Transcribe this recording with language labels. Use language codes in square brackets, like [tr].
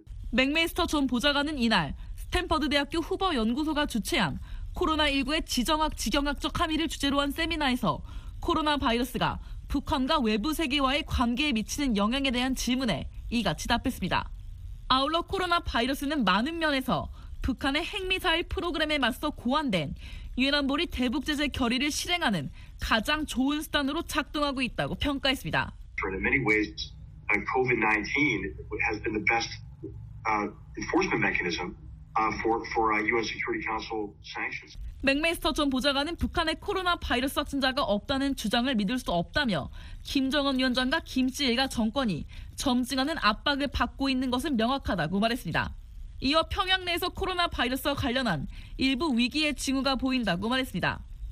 [ko] 맥메스터 전 보좌관은 이날 스탠퍼드 대학교 후버 연구소가 주최한 코로나19의 지정학 지경학적 함의를 주제로 한 세미나에서 코로나 바이러스가 북한과 외부 세계와의 관계에 미치는 영향에 대한 질문에 이같이 답했습니다. 아울러 코로나 바이러스는 많은 면에서 북한의 핵미사일 프로그램에 맞서 고안된 유엔안보리 대북제재 결의를 실행하는 가장 좋은 수단으로 작동하고 있다고 평가했습니다. [en] In many ways, COVID-19 has been the best enforcement mechanism for UN Security Council sanctions. [ko] 맥메스터 전 보좌관은 북한의 코로나 바이러스 확진자가 없다는 주장을 믿을 수 없다며 김정은 위원장과 김씨 일가 정권이 점증하는 압박을 받고 있는 것은 명확하다고 말했습니다. 이어 평양 내에서 코로나 바이러스와 관련한 일부 위기의 징후가 보인다고 말했습니다.